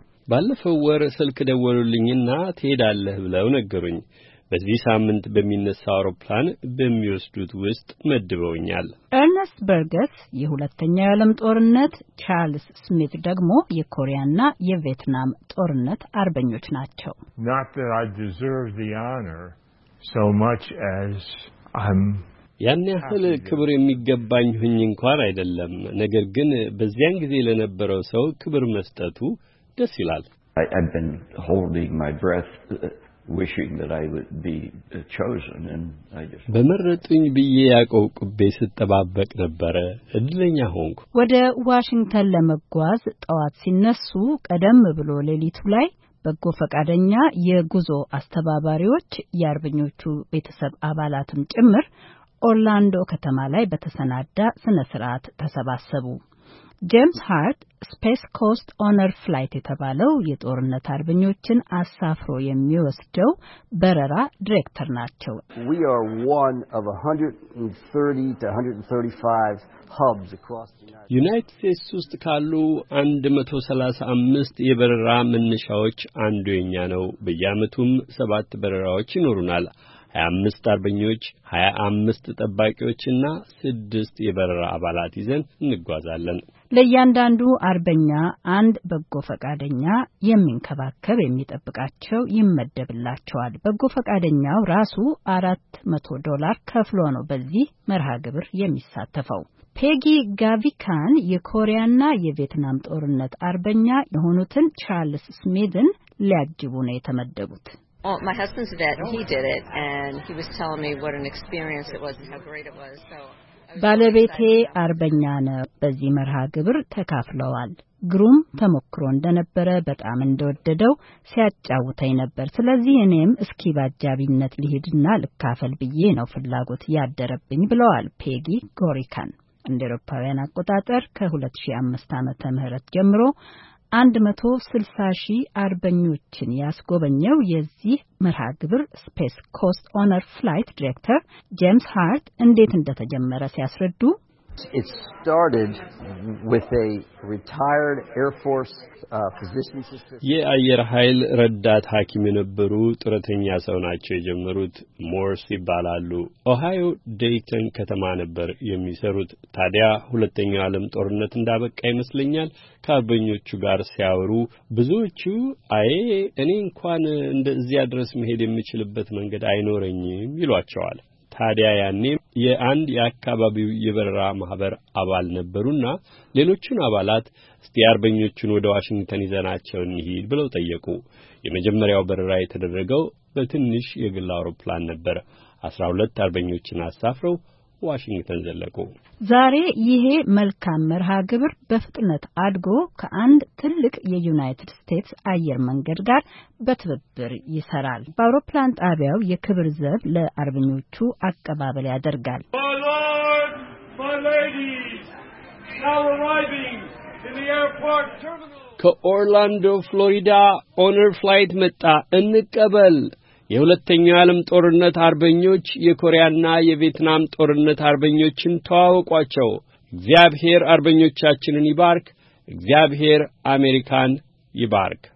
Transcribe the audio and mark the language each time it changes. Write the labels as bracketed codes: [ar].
[am] ባለፈው ወር ስልክ ደወሉልኝና ትሄዳለህ ብለው ነገሩኝ። በዚህ ሳምንት በሚነሳው አውሮፕላን በሚወስዱት ውስጥ መድበውኛል። ኤርነስት በርገስ የሁለተኛው ዓለም ጦርነት፣ ቻርልስ ስሚዝ ደግሞ የኮሪያና የቪየትናም ጦርነት አርበኞች ናቸው። [en] Not that I deserve the honor so much as I'm [am] ያን ያህል ክብር የሚገባኝ ሁኝ እንኳን አይደለም። ነገር ግን በዚያን ጊዜ ለነበረው ሰው ክብር መስጠቱ ደስ ይላል። [en] I've been holding my breath wishing that I would be chosen and I just [am] በመረጡኝ ብዬ ያቆብ ቁቤ ስጠባበቅ ነበር። እድለኛ ሆንኩ። ወደ ዋሽንግተን ለመጓዝ ጠዋት ሲነሱ ቀደም ብሎ ሌሊቱ ላይ በጎ ፈቃደኛ የጉዞ አስተባባሪዎች ያርበኞቹ ቤተሰብ አባላትም ጭምር ኦርላንዶ ከተማ ላይ በተሰናዳ ስነ ስርዓት ተሰባሰቡ። ጄምስ ሃርት ስፔስ ኮስት ኦነር ፍላይት የተባለው የጦርነት አርበኞችን አሳፍሮ የሚወስደው በረራ ዲሬክተር ናቸው። [en] We are one of 130 to 135 hubs across the [am] United States ውስጥ ካሉ 135 የበረራ መነሻዎች አንዱ የኛ ነው። በየአመቱም 7 በረራዎች ይኖሩናል። 25 አርበኞች፣ 25 ተጠባቂዎችና 6 የበረራ አባላት ይዘን እንጓዛለን። ለእያንዳንዱ አርበኛ አንድ በጎ ፈቃደኛ የሚንከባከብ የሚጠብቃቸው ይመደብላቸዋል። በጎ ፈቃደኛው ራሱ $400 ከፍሎ ነው በዚህ መርሃ ግብር የሚሳተፈው። ፔጊ ጋቪካን የኮሪያና የቪየትናም ጦርነት አርበኛ የሆኑትን ቻርልስ ስሚዝን ሊያጅቡ ነው የተመደቡት። [en] Well, my husband's a vet, he did it, and he was telling me what an experience it was and how great it was. So [am] ባለቤቴ አርበኛ ነው፣ በዚህ መርሃ ግብር ተካፍለዋል። ግሩም ተመክሮ እንደነበረ በጣም እንደወደደው ሲያጫውተኝ ነበር። ስለዚህ እኔም እስኪ ባጃቢነት ልሄድና ልካፈል ብዬ ነው ፍላጎት ያደረብኝ ብለዋል ፔጊ ጎሪካን። እንደ አውሮፓውያን አቆጣጠር ከ2005 ዓመተ ምህረት ጀምሮ 160,000 አርበኞችን ያስጎበኘው የዚህ መርሃ ግብር ስፔስ ኮስት ኦነር ፍላይት ዲሬክተር ጄምስ ሃርት እንዴት እንደተጀመረ ሲያስረዱ [en] It started with a retired Air Force physician assistant. [am] የአየር ኃይል ረዳት ሐኪም የነበሩ ጡረተኛ ሰው ናቸው የጀመሩት። ሞርስ ይባላሉ። ኦሃዮ ዴይተን ከተማ ነበር የሚሰሩት። ታዲያ ሁለተኛው ዓለም ጦርነት እንዳበቃ ይመስለኛል ካርበኞቹ ጋር ሲያወሩ ብዙዎቹ አይ እኔ እንኳን እንደዚያ ድረስ መሄድ የምችልበት መንገድ አይኖረኝም ይሏቸዋል። ታዲያ ያኔ የአንድ የአካባቢው የበረራ ማህበር አባል ነበሩና ሌሎችን አባላት ስቲያርበኞቹን ወደ ዋሽንግተን ይዘናቸው እንሂድ ብለው ጠየቁ። የመጀመሪያው በረራ የተደረገው በትንሽ የግል አውሮፕላን ነበር። 12 አርበኞችን አሳፍረው ዋሽንግተን ዘለቁ። ዛሬ ይሄ መልካም መርሃ ግብር በፍጥነት አድጎ ከአንድ ትልቅ የዩናይትድ ስቴትስ አየር መንገድ ጋር በትብብር ይሰራል። በአውሮፕላን ጣቢያው የክብር ዘብ ለአርበኞቹ አቀባበል ያደርጋል። [en] My lord, my ladies, now arriving in the airport terminal. [am] ከኦርላንዶ ፍሎሪዳ ኦነር ፍላይት መጣ እንቀበል። የሁለተኛው ዓለም ጦርነት አርበኞች፣ የኮሪያና የቪየትናም ጦርነት አርበኞችን ተዋውቋቸው። እግዚአብሔር አርበኞቻችንን ይባርክ። እግዚአብሔር አሜሪካን ይባርክ።